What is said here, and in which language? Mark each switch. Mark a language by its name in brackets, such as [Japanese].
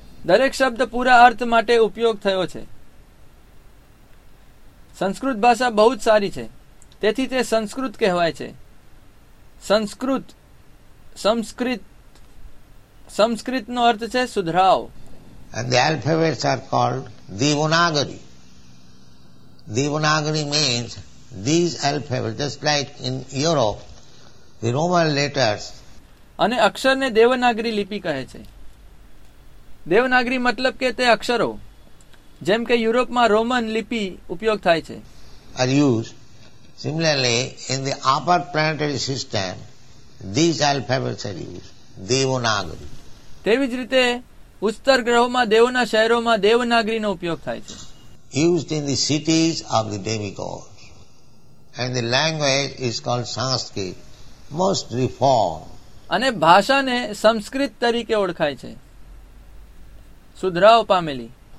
[Gujarati] દરેક શબ્દ પૂરા અર્થ માટે ઉપયોગ થયો છે. સંસ્કૃત ભાષા બહુ જ સારી છે, તેથી તે સંસ્કૃત કહેવાય છે. સંસ્કૃત, સંસ્કૃત, સંસ્કૃત નો અર્થ છે સુધરાવ. [English] And the alphabets are called Devanagari. Devanagari means these alphabets, just like in Europe, the Roman letters. [Gujarati] અને અક્ષરને દેવનાગરી લિપિ કહે છે. દેવનાગરી મતલબ કે તે અક્ષરો, જેમ કે યુરોપમાં રોમન લિપિ ઉપયોગ થાય છે. [English] Are used. Similarly, in the upper planetary system, these alphabets are used. Devanagari. [Gujarati] તેવી જ રીતે ઉત્તર ગ્રહોમાં, દેવના શહેરોમાં દેવનાગરીનો ઉપયોગ થાય છે. [English] Used in the cities of the demigods and the language is called Sanskrit most reform. [Gujarati] અને ભાષાને સંસ્કૃત તરીકે ઓળખાય છે, સુધરાવ પામેલી.